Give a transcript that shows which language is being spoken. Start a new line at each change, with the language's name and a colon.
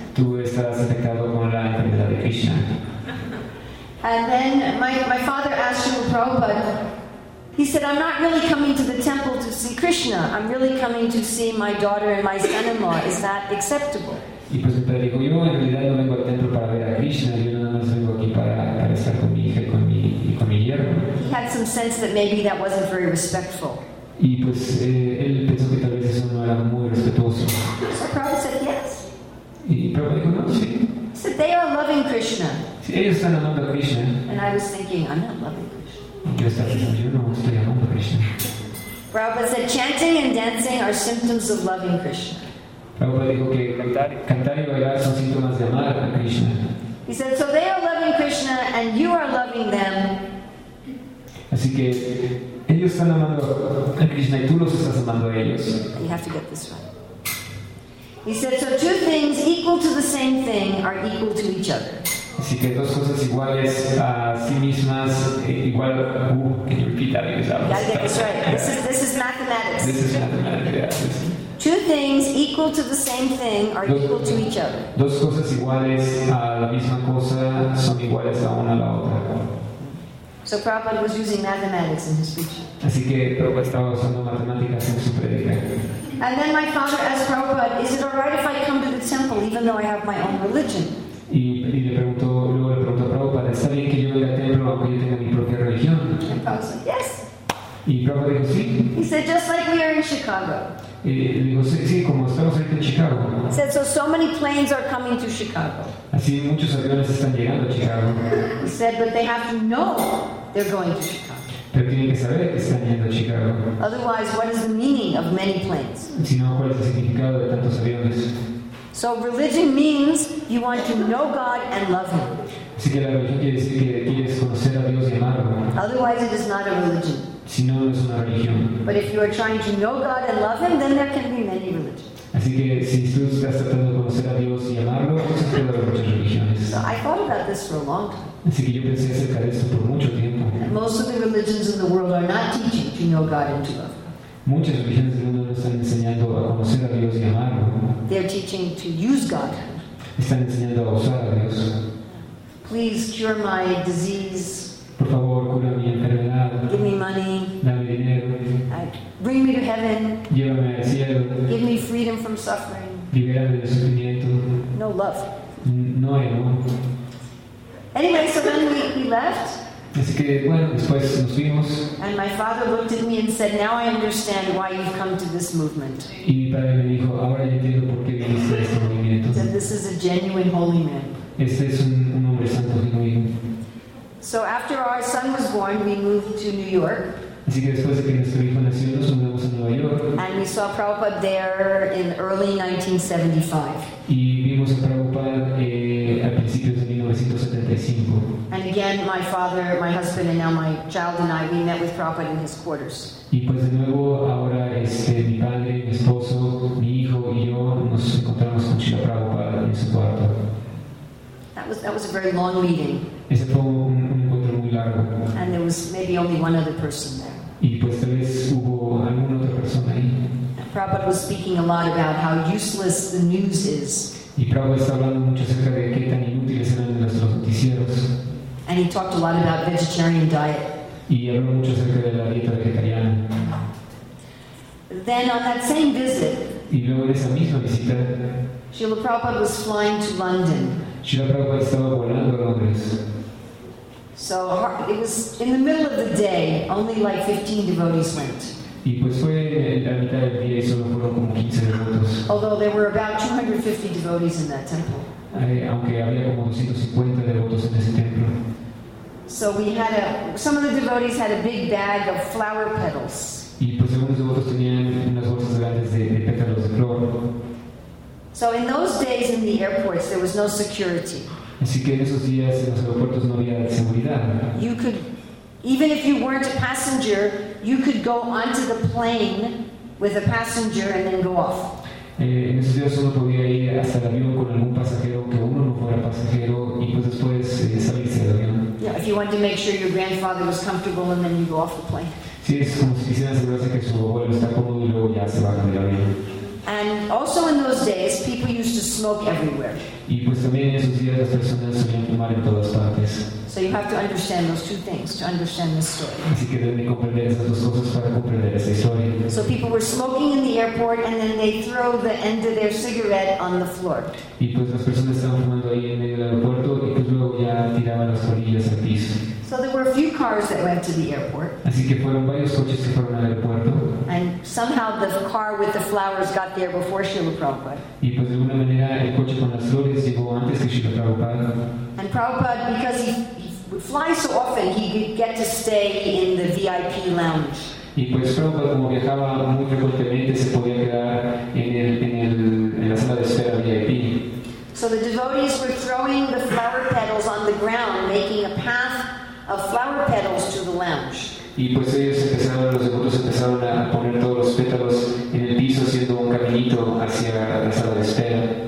Spanish: Tú estarás infectado con la enfermedad de Krishna.
English: And then my father asked Srila Prabhupada, he said, I'm not really coming to the temple to see Krishna, I'm really coming to see my daughter and my son-in-law, is that acceptable?
Spanish: Y pues mi padre dijo, yo en realidad no vengo al templo para ver a Krishna, yo nada más vengo aquí para estar con mi hija y con mi yerno.
English: He had some sense that maybe that wasn't very respectful.
Spanish: Y pues él pensó que tal vez eso no era muy respetuoso.
English: So Prabhupada said yes.
Spanish: Y Prabhupada dijo, no, sí.
English: He said, they are loving Krishna.
Spanish: Sí, ellos están amando a Krishna.
English: And I was thinking, I'm not loving Krishna.
Spanish: Yo estaba pensando, yo no estoy amando a Krishna.
English: Prabhupada said, chanting and dancing are symptoms of loving Krishna.
Spanish: Prabhupada dijo que cantar y bailar son síntomas de amar a Krishna.
English: He said, so they are loving Krishna and you are loving them.
Spanish: Así que ellos están amando a Krishna y tú los estás amando a ellos.
English: You have to get this right. He said, so two things equal to the same thing are equal to each other.
Spanish: Así que dos cosas iguales a sí mismas igual que repita.
English: You gotta get this right. This is mathematics. This is mathematics, yeah. Two things equal to the same thing are equal to each other.
Spanish: Dos cosas iguales a la misma cosa son iguales a una a la otra.
English: So Prabhupada was using mathematics in his speech.
Spanish: Así que Prabhupada estaba usando matemáticas en su predica.
English: And then my father asked Prabhupada, is it all right if I come to the temple even though I have my own religion?
Spanish: Y le preguntó a Prabhupada, ¿está bien que yo vaya al templo aunque yo tenga mi propia religión?
English: And Prabhupada said, yes.
Spanish: Y Prabhupada dijo, sí.
English: He said, just like we are in Chicago.
Spanish: Y dijo, sí, como estamos ahorita en Chicago, ¿no?
English: He said, so many planes are coming to Chicago.
Spanish: Así muchos aviones están llegando a Chicago.
English: He said, but they have to know they're going to Chicago.
Spanish: Pero tienen que saber que están yendo a Chicago.
English: Otherwise, what is the meaning of many planes?
Spanish: Si no, ¿cuál es el significado de tantos aviones?
English: So religion means you want to know God and love Him.
Spanish: Así que la religión quiere decir que quieres conocer a Dios y amarlo, ¿no?
English: Otherwise, it is not a religion.
Spanish: Si no, es una religión.
English: But if you are trying to know God and love Him, then there can be many religions.
Spanish: Así que si tú estás tratando de conocer a Dios y amarlo, pues puede haber muchas religiones.
English: So I thought about this for a long time.
Spanish: Así que yo pensé acerca de esto por mucho tiempo.
English: And most of the religions in the world are not teaching to know God and to love Him.
Spanish: Muchas religiones del mundo no están enseñando a conocer a Dios y amarlo.
English: They're teaching to use God.
Spanish: Están enseñando a usar a Dios.
English: Please cure my disease.
Spanish: Por favor, cura mi enfermedad.
English: Give me money.
Spanish: Dame dinero.
English: Bring me to heaven.
Spanish: Llévame al cielo.
English: Give me freedom from suffering.
Spanish: Libérame del sufrimiento.
English: No love.
Spanish: No hay amor.
English: Anyway, so then we left.
Spanish: Así que, bueno, después nos fuimos.
English: And my father looked at me and said, now I understand why you've come to this movement.
Spanish: Y mi padre me dijo, ahora yo entiendo por qué viniste a este movimiento.
English: Said, this is a genuine holy man.
Spanish: Este es un hombre santo genuino.
English: So after our son was born, we moved to New York.
Spanish: Así que después de que nuestro hijo nació, nos mudamos a Nueva York.
English: And we saw Prabhupada there in early 1975.
Spanish: Y vimos a Prabhupada a principios de 1975.
English: And again, my father, my husband, and now my child and I, we met with Prabhupada in his quarters.
Spanish: Y pues de nuevo, ahora mi padre, mi esposo, mi hijo y yo nos encontramos con Srila Prabhupada en su cuarto.
English: That was a very long meeting.
Spanish: Ese fue un encuentro muy largo.
English: And there was maybe only one other person there.
Spanish: Y pues tal vez hubo alguna otra persona ahí.
English: And Prabhupada was speaking a lot about how useless the news is.
Spanish: Y Prabhupada estaba hablando mucho acerca de qué tan inútiles eran los noticieros.
English: And he talked a lot about vegetarian diet.
Spanish: Y habló mucho acerca de la dieta vegetariana.
English: Then on that same visit,
Spanish: y luego en esa misma visita,
English: Srila Prabhupada was flying to London.
Spanish: Srila Prabhupada estaba volando a Londres.
English: So it was in the middle of the day, only like 15 devotees went.
Spanish: Y pues fue la mitad del día y solo fueron como 15 devotos.
English: Although there were about 250 devotees in that temple.
Spanish: Aunque había como 250 devotos en ese templo.
English: So we had some of the devotees had a big bag of flower petals.
Spanish: Y pues algunos devotos tenían unas bolsas grandes de pétalos de flor.
English: So in those days in the airports there was no security.
Spanish: Así que en esos días en los aeropuertos no había seguridad.
English: You could, even if you weren't a passenger, you could go onto the plane with a passenger and then go off.
Spanish: En esos días uno podía ir hasta el avión con algún pasajero que uno no fuera pasajero y pues después salirse del avión.
English: Yeah, if you want to make sure your grandfather was comfortable and then you go off the plane.
Spanish: Sí, es como si quisiera asegurarse que su abuelo está cómodo y luego ya se va con el avión.
English: And also in those days, people used to smoke everywhere.
Spanish: Y pues también en esos días las personas solían fumar en todas partes.
English: So you have to understand those two things to understand this story.
Spanish: Así que deben comprender esas dos cosas para comprender esa historia.
English: So people were smoking in the airport and then they throw the end of their cigarette on the floor.
Spanish: Y pues las personas estaban fumando ahí en medio del aeropuerto y pues luego ya tiraban las colillas al piso.
English: So there were a few cars that went to the airport.
Spanish: Así que fueron varios coches que fueron al aeropuerto.
English: And somehow the car with the flowers got there before Srila Prabhupada.
Spanish: Y pues de alguna manera el coche con las flores llegó antes que Srila Prabhupada.
English: And Prabhupada, because he flies so often, he could get to stay in the VIP lounge.
Spanish: Y pues Prabhupada, como viajaba muy frecuentemente, se podía quedar en la sala de espera VIP.
English: So the devotees were throwing the flower petals on the ground, making a path of flower petals to the lounge.
Spanish: Y pues ellos empezaron, los devotos empezaron a poner todos los pétalos en el piso haciendo un caminito hacia la sala de espera.